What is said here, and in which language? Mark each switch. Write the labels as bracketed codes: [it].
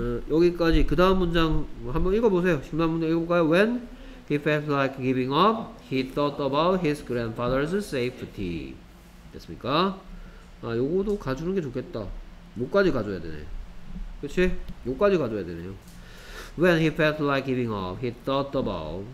[ko] 여기까지 그 다음 문장 한번 읽어보세요. 지금 한번 읽어볼까요? [en] When he felt like giving up, he thought about his grandfather's safety. [ko] 됐습니까? 아, 요거도 가주는 게 좋겠다. 요까지 가줘야 되네. 그치? 요까지 가줘야 되네요. [en] When he felt like giving up, he thought about.